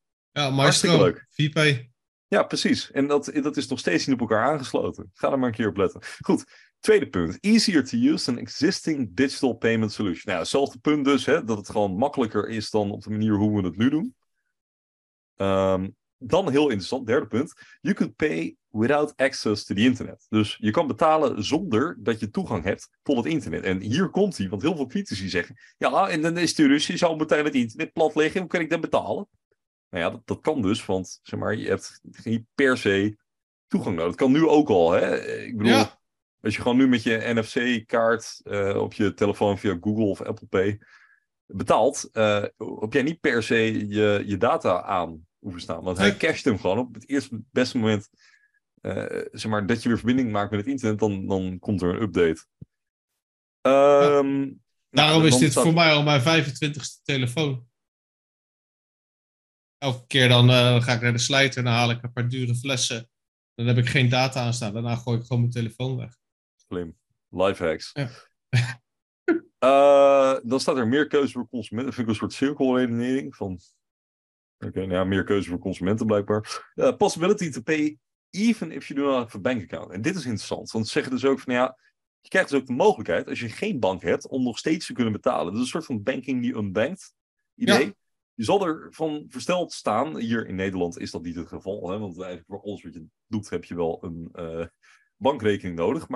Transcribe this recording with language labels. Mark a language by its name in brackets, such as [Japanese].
[Dutch] Ja, Maestro, VP. Ja, precies. En dat is nog steeds niet op elkaar aangesloten. Ga er maar een keer op letten. Goed, tweede punt. [English] Easier to use an existing digital payment solution. [Dutch] Nou, hetzelfde punt dus, hè, dat het gewoon makkelijker is dan op de manier hoe we het nu doen. Dan heel interessant, derde punt. [English] You could pay without access to the internet. [Dutch] Dus je kan betalen zonder dat je toegang hebt tot het internet. En hier komt hij, want heel veel critici zeggen, ja, en dan is de Russen al meteen het internet plat liggen. Hoe kan ik dan betalen? Nou ja, dat kan dus, want zeg maar, je hebt geen per se toegang nodig. Dat kan nu ook al, hè? Ik bedoel, ja. Als je gewoon nu met je NFC-kaart op je telefoon via Google of Apple Pay betaalt, heb jij niet per se je data aan hoeven staan. Want hij casht hem gewoon op het eerste beste moment. Zeg maar, dat je weer verbinding maakt met het internet, dan komt er een update. Daarom is dit voor mij al mijn 25ste telefoon. elke keer dan ga ik naar de slijter en dan haal ik een paar dure flessen. Dan heb ik geen data aan staan. Daarna gooi ik gewoon mijn telefoon weg. Slim. Lifehacks. Ja. dan staat er meer keuze voor consumenten. Dat vind ik een soort cirkelredenering van... Oké, nou ja, meer keuze voor consumenten blijkbaar. [English] Possibility to pay even if you do not have a bank account. [Dutch] En dit is interessant, want ze zeggen dus ook van ja, je krijgt dus ook de mogelijkheid, als je geen bank hebt, om nog steeds te kunnen betalen. Dat is een soort van banking die unbanked idee. Ja. Je zal er van versteld staan, hier in Nederland is dat niet het geval, hè, want eigenlijk voor alles wat je doet, heb je wel een bankrekening nodig.